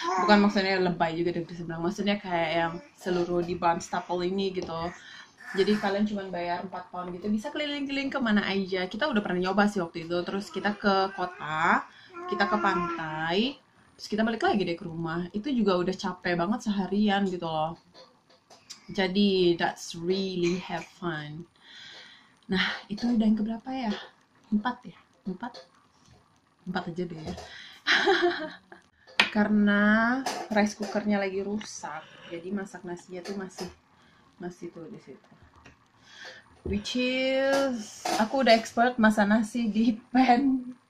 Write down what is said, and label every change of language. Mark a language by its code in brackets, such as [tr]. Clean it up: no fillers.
[id] Bukan maksudnya lebay juga negeri seberang. Maksudnya kayak yang seluruh di Barnstaple ini gitu. Jadi kalian cuma bayar 4 pound gitu, bisa keliling-keliling kemana aja. Kita udah pernah nyoba sih waktu itu, terus kita ke kota, kita ke pantai, terus kita balik lagi deh ke rumah. Itu juga udah capek banget seharian gitu loh. Jadi [en] that's really have fun. [id] Nah, itu udah yang keberapa ya? Empat ya? Empat? Empat aja deh ya. Karena rice cookernya lagi rusak, jadi masak nasinya tuh masih masih tuh di situ. [en] Which is, [id] aku udah expert masak nasi di pan.